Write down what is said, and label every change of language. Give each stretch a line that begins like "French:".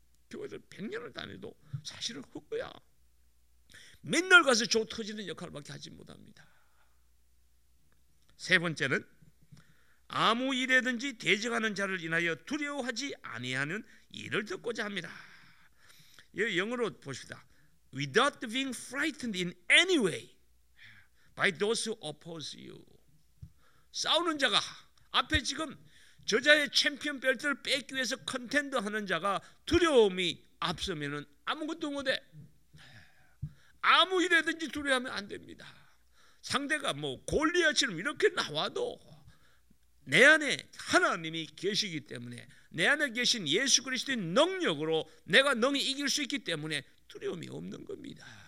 Korean: 교회를 100년을 다녀도 사실은 흙이야. 맨날 가서 조 터지는 역할밖에 하지 못합니다. 세 번째는 아무 일에든지 대적하는 자를 인하여 두려워하지 아니하는 일을 듣고자 합니다. 영어로 보십시다.
English: Without being frightened in any way by those who oppose you.
Korean: 싸우는 자가 앞에 지금 저자의 챔피언 벨트를 뺏기 위해서 컨텐더 하는 자가 두려움이 앞서면은 아무것도 못해. 아무 일에든지 두려워하면 안 됩니다. 상대가 뭐 골리앗처럼 이렇게 나와도 내 안에 하나님이 계시기 때문에 내 안에 계신 예수 그리스도의 능력으로 내가 능히 이길 수 있기 때문에 두려움이 없는 겁니다.